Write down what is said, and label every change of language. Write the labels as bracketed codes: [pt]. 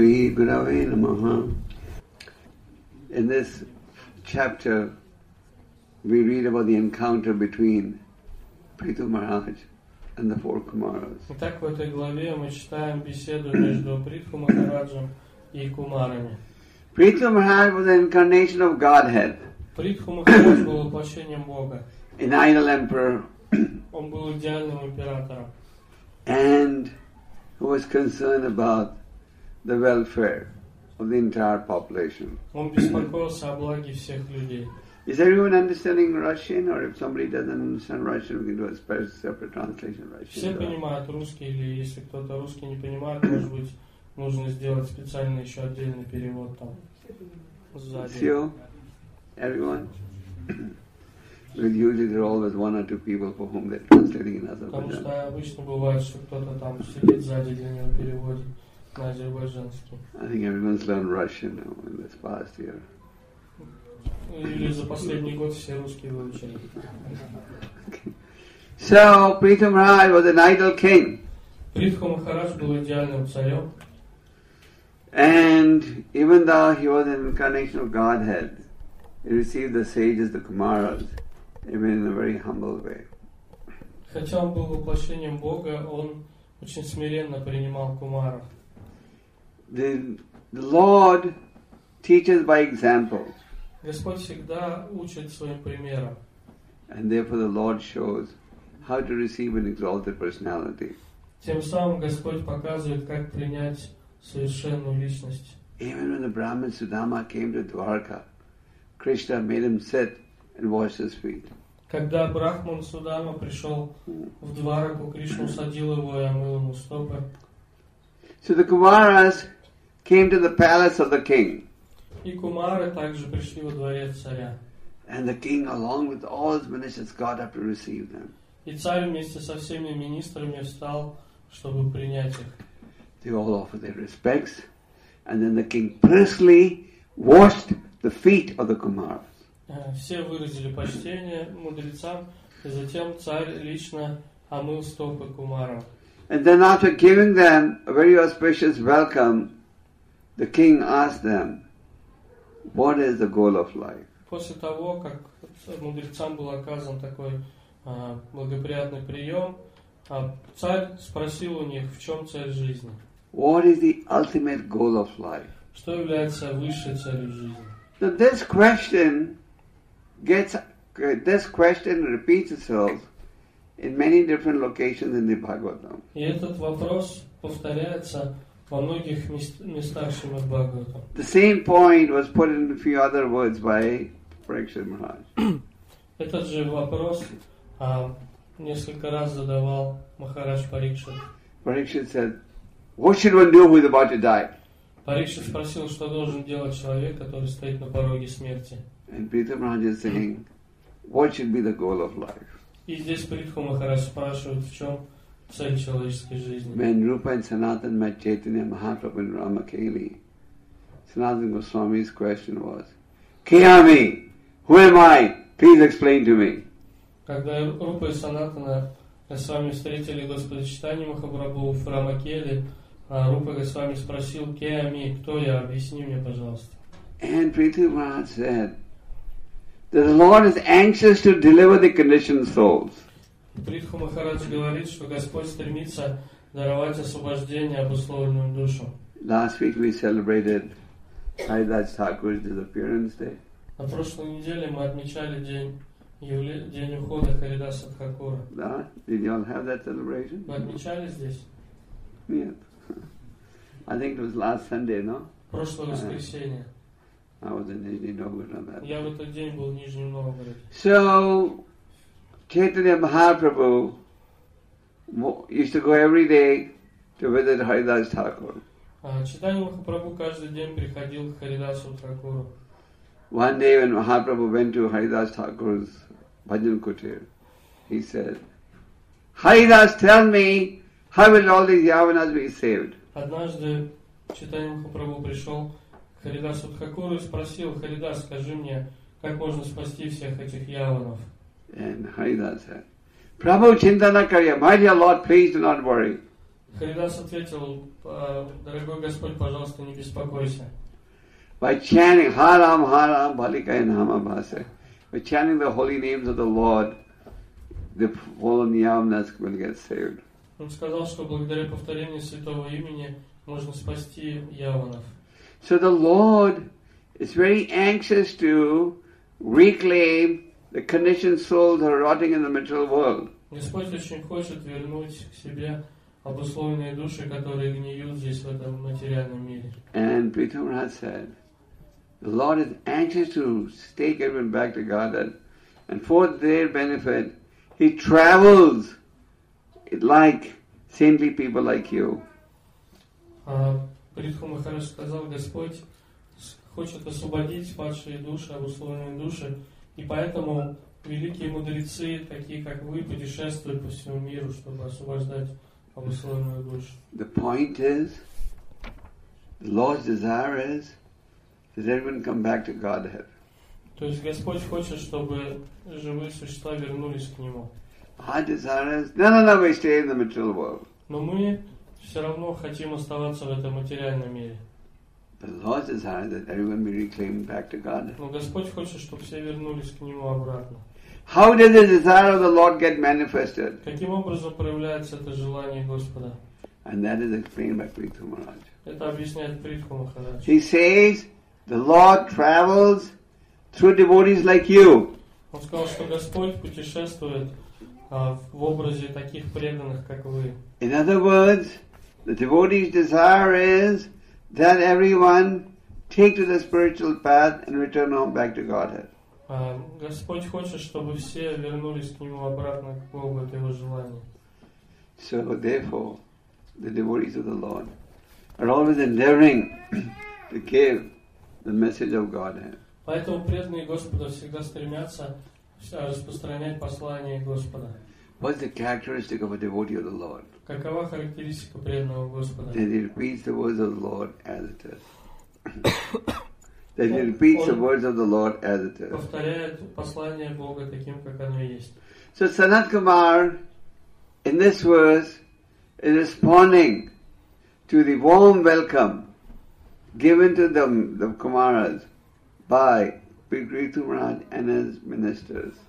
[en] In this chapter, we read about the encounter between Prithu Maharaj and the four Kumaras. [ru] Итак, в этой главе мы читаем беседу между Притху Махараджем и Кумарами. [en] Prithu Maharaj was the incarnation of Godhead. [ru] Притху Махарадж был воплощением Бога. [en] An ideal emperor. [ru] Он был идеальным императором. [en] And who was concerned about the welfare of the entire population. [ru] Он беспокоился о благе всех людей. [en] Is everyone understanding Russian, or if somebody doesn't understand Russian, we can do a special separate translation of Russian? [ru] Все понимают русский, или если кто-то русский не понимает, может быть, нужно сделать специальный еще отдельный перевод там. Всё? [en] Everyone? Well, usually there are always one or two people for whom they're translating in Azerbaijan. [ru] Потому что обычно бывает, что кто-то там сидит сзади для него переводит на азербайджанский. [en] I think everyone's learned Russian now in this past year. [ru] Или за последний год все русские выучили. [en] So Prithu Maharaj was an ideal king. [ru] Притху Махарадж был идеальным царем. [en] And even though he was an incarnation of Godhead, he received the sages, the Kumaras, even in a very humble way. [ru] Хотя он был воплощением Бога, он очень смиренно принимал кумаров. [en] The Lord teaches by example. [ru] Господь всегда учит своим примером. [en] And therefore the Lord shows how to receive an exalted personality. [ru] Тем самым Господь показывает, как принять совершенную личность. [en] Even when the Brahmin Sudama came to Dwarka, Krishna made him sit and wash his feet. [ru] Когда Брахман Судама пришел в Двараку, Кришна усадил его и омыл ему стопы. [en] So the Kumaras came to the palace of the king. [ru] И Кумары также пришли во дворец царя. [en] And the king, along with all his ministers, got up to receive them. [ru] И царь вместе со всеми министрами встал, чтобы принять их. [en] They all offered their respects, and then the king personally washed the feet of the Kumaras. [ru] Все выразили почтение мудрецам, и затем царь лично омыл стопы кумаров. [en] And then after giving them a very auspicious welcome, the king asked them, what is the goal of life? [ru] После того, как мудрецам был оказан такой благоприятный прием, царь спросил у них, в чем цель жизни. [en] What is the ultimate goal of life? [ru] Что является высшей целью жизни? [en] Now this question gets this question repeats itself in many different locations in the Bhagavatam. [ru] И этот вопрос повторяется во многих местах Шримад Бхагаватам. [en] The same point was put in a few other words by Parikshit Maharaj. [ru] Этот же вопрос несколько раз задавал Махарадж Парикшит. [en] Parikshit said, "What should one do who is about to die?" [ru] Парикшит спросил, что должен делать человек, который стоит на пороге смерти. [en] And Prithu Maharaj is saying, what should be the goal of life? [ru] И здесь Притху Махарадж спрашивает, в чем цель человеческой жизни. [en] When Rupa and Sanatan met Chaitanya Mahaprabhu in Ramakeli, Sanatan Goswami's question was, Kiyami, who am I? Please explain to me. [ru] Когда Рупа и Санатана с вами встретили Господа Чайтанью Махапрабху в Рамакели, Рупа с вами спросил, Кеами, кто я? Объясни мне, пожалуйста. [en] And Prithivaraj said, the Lord is anxious to deliver the conditioned souls. [ru] Притху Махарадж говорит, что Господь стремится даровать освобождение обусловленную душу. [en] Last week we celebrated Haridas Thakur's disappearance day. [ru] На прошлой неделе мы отмечали день ухода Харидаса Тхакура. Да? [en] Did you all have that celebration? [ru] Мы отмечали здесь? Нет. [en] I think it was last Sunday, no? [ru] Прошлое воскресенье. [en] I was in Nizhny Novgorod on that. [ru] Я в этот день был в Нижнем Новгороде. [en] So, Chaitanya Mahaprabhu used to go every day to visit Haridas Thakur. [ru] Chaitanya Mahaprabhu каждый день приходил к Харидасу Тхакуру. [en] One day when Mahaprabhu went to Haridas Thakur's bhajan kutir, he said, Haridas, tell me, how will all these yavanas be saved? [ru] Однажды Chaitanya Mahaprabhu пришел к Харидасу Тхакуру и спросил, Харидас, скажи мне, как можно спасти всех этих яванов? [en] And Haridas said, Prabhu chintana karya, my dear Lord, please do not worry. [ru] Харидас ответил, дорогой Господь, пожалуйста, не беспокойся. [en] By chanting Haram Haram Bhalika in Hamabhasa, by chanting the holy names of the Lord, the fallen Yavanas will get saved. [ru] Он сказал, что благодаря повторению святого имени можно спасти Яванов. [en] So the Lord is very anxious to reclaim the conditioned souls that are rotting in the material world. [ru] Господь очень хочет вернуть к себе обусловленные души, которые гниют здесь, в этом материальном мире. [en] And Prithivaraj said, the Lord is anxious to take everyone back to Godhead, and for their benefit, He travels like saintly people like you. [ru] Притху Махарадж сказал, Господь хочет освободить ваши души, обусловленные души, и поэтому великие мудрецы, такие как вы, путешествуют по всему миру, чтобы освобождать обусловленную душу. [en] The point is, the Lord's desire is, does everyone come back to Godhead? [ru] То есть Господь хочет, чтобы живые существа вернулись к Нему. [en] Our desire is, no, we stay in the material world. [ru] Но мы все равно хотим оставаться в этом материальном мире. [en] The Lord's desire is that everyone be reclaimed back to Godhead. [ru] Но Господь хочет, чтобы все вернулись к Нему обратно. [en] How does the desire of the Lord get manifested? [ru] Каким образом проявляется это желание Господа? [en] And that is explained by Prithu Maharaj. [ru] Это объясняет Притху Махарадж. [en] He says, the Lord travels through devotees like you. [ru] Он сказал, что Господь путешествует в образе таких преданных, как вы. [en] In other words, the devotee's desire is that everyone take to the spiritual path and return home back to Godhead. [ru] Господь хочет, чтобы все вернулись к Нему обратно, к Богу, от Его желания. [en] So therefore, the devotees of the Lord are always endeavoring to give the message of Godhead. [ru] Поэтому преданные Господа всегда стремятся распространять послание Господа. [en] What is the characteristic of a devotee of the Lord? [ru] Какова характеристика преданного Господа? [en] That he repeats the words of the Lord as it is. That he repeats the words of the Lord as it is. [ru] Повторяет послание Бога таким, как оно есть. [en] So Sanat Kumar, in this verse, is responding to the warm welcome given to them, the Kumaras, by Prithu Maharaj and his ministers.